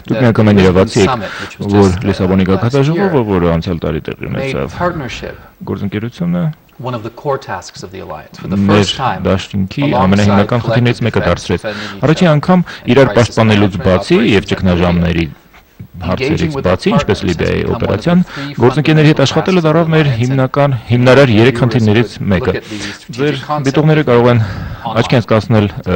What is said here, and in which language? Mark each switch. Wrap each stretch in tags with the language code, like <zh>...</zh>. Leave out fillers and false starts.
<hy>Դուք նկատի ունեցիք, որ Լիսաբոնի գագաթաժողովը, որը անցյալ տարի տեղի ունեցավ, գործընկերությունը</hy> <en>one of the core tasks of the alliance for the first time.</en> <hy>Դաշտինքի ամենահիմնական խնդիրներից մեկը դարձրեց. Առաջին անգամ իրար պաշտպանելուց բացի եւ ճգնաժամների հարցերից բացի, ինչպես Լիբիայի օպերացիան, գործընկերների հետ աշխատելը դարձավ մեր հիմնական հիմնարար երեք խնդիրներից մեկը։ Ձեր դիտողները կարող են աչքի ընկնել</hy>